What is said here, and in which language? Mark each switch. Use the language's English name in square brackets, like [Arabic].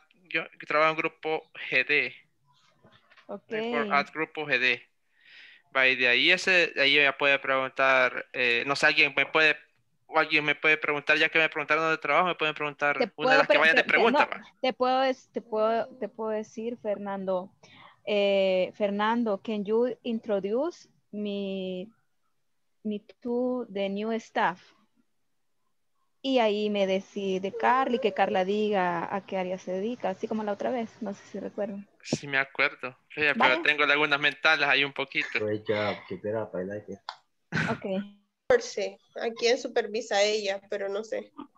[Spanish] Yo trabajo en grupo GD. [English] Okay. At grupo GD. [Spanish] Vaya, de ahí ese, de ahí ya puede preguntar, no sé, alguien me puede preguntar, ya que me preguntaron dónde trabajo, me pueden preguntar una de las que vayan de pregunta. Te puedo decir, Fernando. [English] Fernando, can you introduce me to the new staff? [Spanish] Y ahí me decide Carly, que Carla diga a qué área se dedica, así como la otra vez, no sé si recuerdo. Sí, me acuerdo, pero ¿vale? Tengo lagunas mentales ahí un poquito. [English] Great job, keep it up, I like it. Ok. [Spanish] Por sí, ¿a quién supervisa ella? Pero no sé.